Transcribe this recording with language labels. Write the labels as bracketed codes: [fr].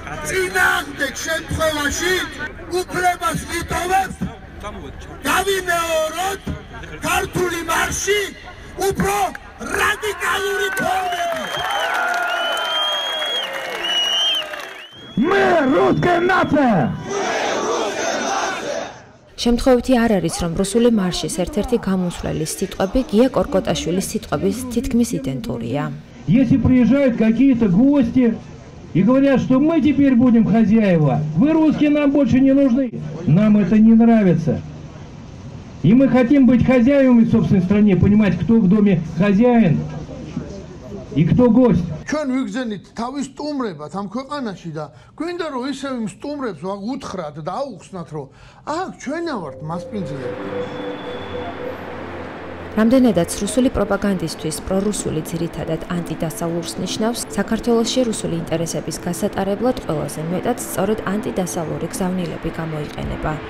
[ka] წინააღმდეგ შემთხვევაში უფლებას ვიტოვებს გავიმეორონ ქართული მარში უფრო რადიკალური ფორმები. [ru] Мы русская нация. [ka] შემთხვევითი არ არის, რომ რუსული მარშის ერთ-ერთი გამოსვლელის სიტყვები გია კორკოტაშვილის სიტყვების თითქმის იდენტურია. [ru] Если приезжают какие-то гости и говорят, что мы теперь будем хозяева, вы русские нам больше не нужны, нам это не нравится. И мы хотим быть хозяевами в собственной стране, понимать, кто в доме хозяин и кто гость. [ka] Чვენ ვიგზენით თავის სტუმრებად ამ ქვეყანაში და გვინდა რომ ისევ იმ სტუმრებს უთხრათ და აუხსნათ რომ აქ ჩვენა ვართ მასპინძლები. რამდენადაც რუსული პროპაგანდისტვის პრორუსული ძირითადად ანტიდასავლურს ნიშნავს, საქართველოში რუსული ინტერესების გასატარებლად ყველაზე მეტად სწორედ ანტიდასავლური გზავნილები გამოიყენება.